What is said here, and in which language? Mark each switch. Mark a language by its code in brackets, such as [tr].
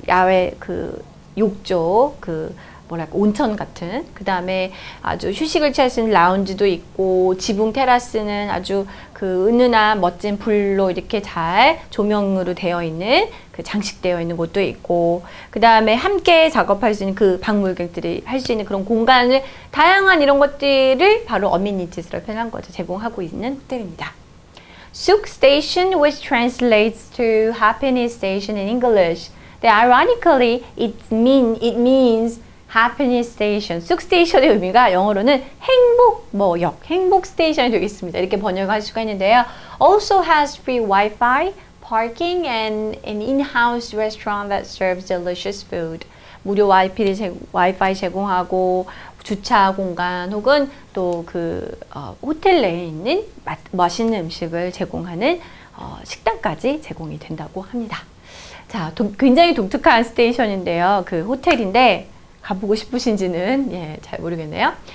[ko] 야외 그 욕조, 그 뭐랄까 온천 같은, 그 다음에 아주 휴식을 취할 수 있는 라운지도 있고, 지붕 테라스는 아주 그 은은한 멋진 불로 이렇게 잘 조명으로 되어 있는, 그 장식되어 있는 곳도 있고, 그 다음에 함께 작업할 수 있는 그 방문객들이 할 수 있는 그런 공간을, 다양한 이런 것들을 바로 어미니티스로 표현한 거죠. 제공하고 있는 호텔입니다. [en] Souk Station, which translates to Happiness Station in English. Then ironically, it means Happiness Station. [ko] 쑥 스테이션의 의미가 영어로는 행복 뭐 역, 행복 스테이션이 되겠습니다. 이렇게 번역할 수가 있는데요. [en] Also has free Wi-Fi, parking, and an in-house restaurant that serves delicious food. [ko] 무료 와이파이 제공하고 주차 공간 혹은 또 그 호텔 내에 있는 맛있는 음식을 제공하는 식당까지 제공이 된다고 합니다. 자, 굉장히 독특한 스테이션인데요. 그 호텔인데 가보고 싶으신지는 예, 잘 모르겠네요.